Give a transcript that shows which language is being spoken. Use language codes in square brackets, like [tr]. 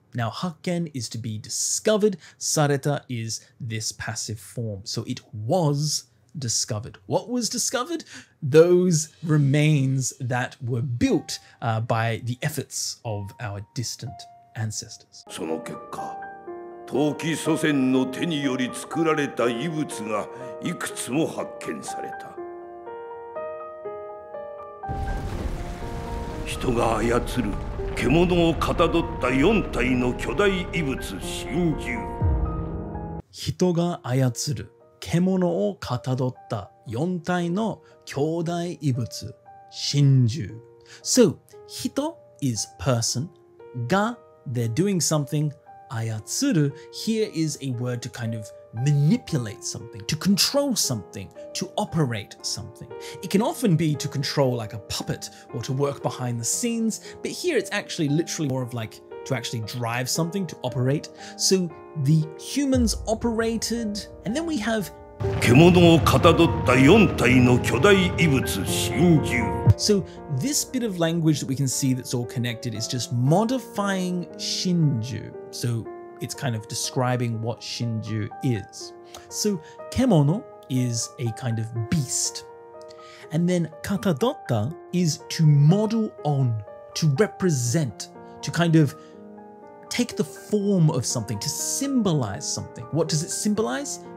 [en] Now 発見 is to be discovered. された is this passive form. So it was. Discovered. What was discovered? Those remains that were built, by the efforts of our distant ancestors. [ja] その結果、陶器祖先の手により作られた遺物がいくつも発見された。人が操る獣をかたどった四体の巨大遺物神獣。人が操る。獣をかたどった四体の兄弟遺物、神獣。 [en] So, 人 is person, が they're doing something, 操る here is a word to kind of manipulate something, to control something, to operate something. It can often be to control like a puppet or to work behind the scenes, but here it's actually literally more of like to actually drive something, to operate. So, the humans operated, and then we have. [ja] 獣をかたどった四体の巨大遺物神獣 [en] So this bit of language that we can see that's all connected is just modifying 神獣 So it's kind of describing what 神獣 is So 獣 is a kind of beast And then かたどった is to model on, to represent, to kind of take the form of something, to symbolize something What does it symbolize?